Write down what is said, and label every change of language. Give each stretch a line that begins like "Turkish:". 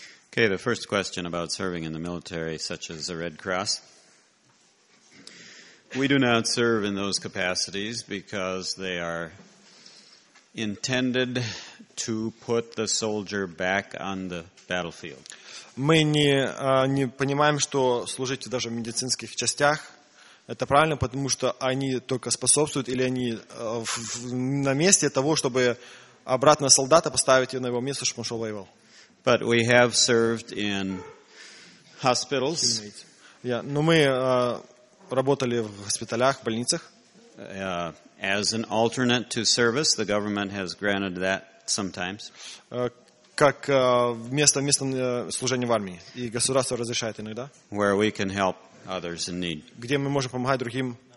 English: Okay, the first question about serving in the military, such as the Red Cross. We do not serve in those capacities because they are intended to put the soldier back on the battlefield.
Russian: Мы не понимаем, что служить даже в медицинских частях Это правильно, потому что они только способствуют или они на месте того, чтобы обратно солдата поставить на его место, чтобы он шел воевал.
English: But we have served in hospitals.
Russian: Но мы работали в госпиталях, в больницах.
English: As an alternate to service, the government has granted that sometimes.
Russian: Как вместо служения в армии. И государство разрешает иногда.
English: Where we can help others in need.
Russian: Где мы можем помогать другим.